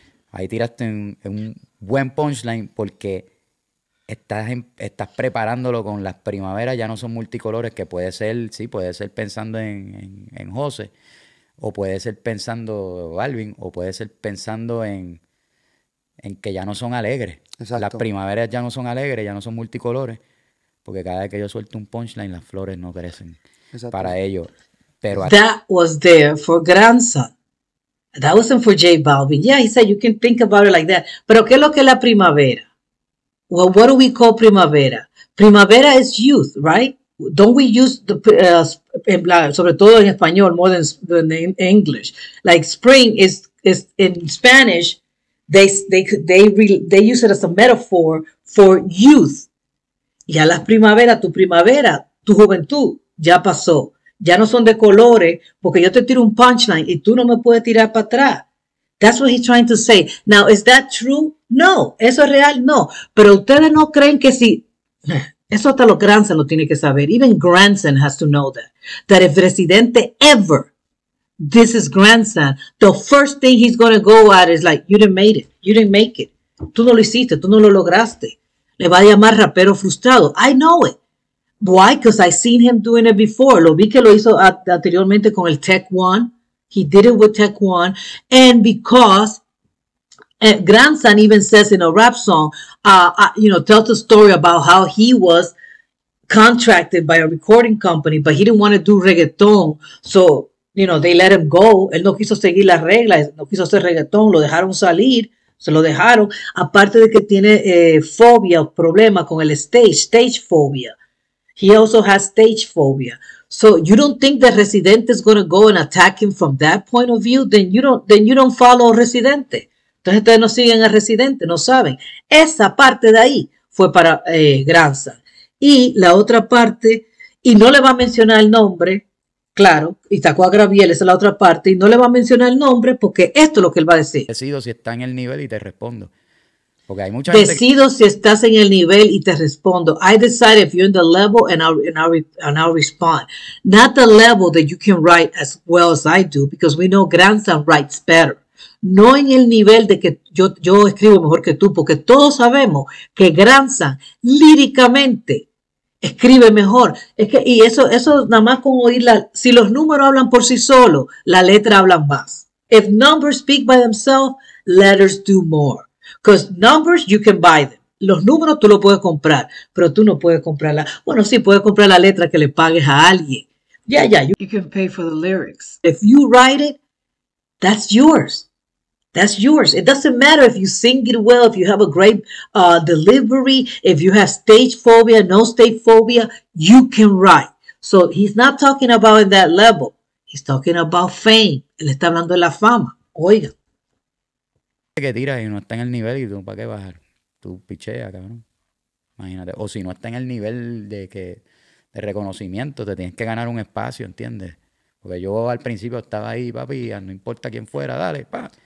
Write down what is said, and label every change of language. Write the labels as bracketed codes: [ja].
[es] Ahí tiraste un buen punchline porque estás preparándolo con las primaveras ya no son multicolores, que puede ser, sí, puede ser pensando en José, o puede ser pensando en Balvin, o puede ser pensando en que ya no son alegres. Exacto. Las primaveras ya no son alegres, ya no son multicolores. Porque cada vez que yo suelto un punchline, las flores no crecen. Exacto. Para ello. Pero [en] that was there for Grandson. That wasn't for J Balvin. Yeah, he said you can think about it like that. [es] Pero ¿qué es lo que es la primavera? [en] Well, what do we call primavera? Primavera is youth, right? Don't we use, [es] sobre todo en español, [en] more than in English. Like spring is in Spanish, they use it as a metaphor for youth. [es] Ya las primavera, tu juventud, ya pasó. Ya no son de colores, porque yo te tiro un punchline y tú no me puedes tirar para atrás. [en] That's what he's trying to say. Now, is that true? No. [es] ¿Eso es real? No. Pero ustedes no creen que si... Eso hasta lo Grandson lo tiene que saber. [en] Even Grandson has to know that. That if Residente ever, this is Grandson, the first thing he's going to go at is like, you didn't make it. You didn't make it. [es] Tú no lo hiciste. Tú no lo lograste. Le va a llamar rapero frustrado. [en] I know it. Why? Because I've seen him doing it before. [es] Lo vi que lo hizo anteriormente con el Tech One. [en] He did it with Tech One. And because Grandson even says in a rap song, tells the story about how he was contracted by a recording company, but he didn't want to do reggaeton. So, you know, they let him go. [es] Él no quiso seguir las reglas. No quiso hacer reggaeton. Lo dejaron salir. Se lo dejaron, aparte de que tiene fobia, problema con el stage phobia. [en] He also has stage phobia. So you don't think that Residente is going to go and attack him from that point of view? Then you don't follow Residente. [es] Entonces ustedes no siguen a Residente, no saben. Esa parte de ahí fue para Grandson. Y la otra parte, y no le va a mencionar el nombre, claro, y sacó a Graviel, esa es la otra parte, y no le va a mencionar el nombre porque esto es lo que él va a decir. Decido si está en el nivel y te respondo. Porque hay mucha decido gente que... si estás en el nivel y te respondo. [en] I decide if you're in the level and I'll respond. Not the level that you can write as well as I do, because we know Grandson writes better. [es] No en el nivel de que yo escribo mejor que tú, porque todos sabemos que Grandson líricamente escribe mejor. Es que, y eso nada más con oírla. Si los números hablan por sí solos, la letra habla más. [en] If numbers speak by themselves, letters do more. Because numbers, you can buy them. [es] Los números tú lo puedes comprar, pero tú no puedes comprarla. Bueno, sí, puedes comprar la letra que le pagues a alguien. [en] Yeah. You can pay for the lyrics. If you write it, that's yours. That's yours. It doesn't matter if you sing it well, if you have a great delivery, if you have stage phobia, no stage phobia, you can write. So he's not talking about in that level. He's talking about fame. [es] Él está hablando de la fama. Oiga. Que tira y no está en el nivel y tú para qué bajar. Tú picheas, cabrón. Imagínate. O si no está en el nivel de que... de reconocimiento, te tienes que ganar un espacio, ¿entiendes? Porque yo al principio estaba ahí, papi, no importa quién fuera, dale, pa.